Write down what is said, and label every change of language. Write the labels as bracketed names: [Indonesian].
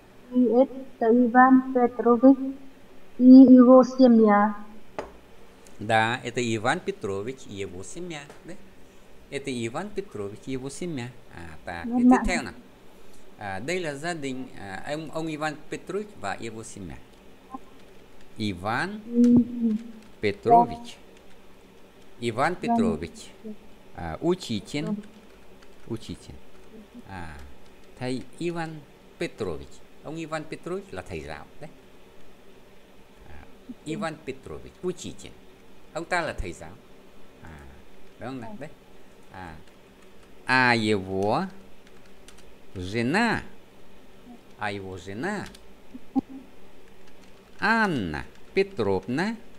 [Russian] Это Иван Петрович и его семья. Да, это Иван Петрович и его семья. Да? Это Иван Петрович и его семья. А, так. И тут тема. [Vietnamese] А, đây là gia đình ông Иван Петрович và [Russian] его семья. Иван Петрович. Иван Петрович. Учитель. Учитель. [Vietnamese] À, thầy Ivan Petrovich, ông Ivan Petrovich là thầy giáo đấy. À, Ivan Petrovich, [Russian] учитель, [Vietnamese] ông ta là thầy giáo, à, đúng không đấy? [Russian] À, его жена, а его жена Анна Петровна,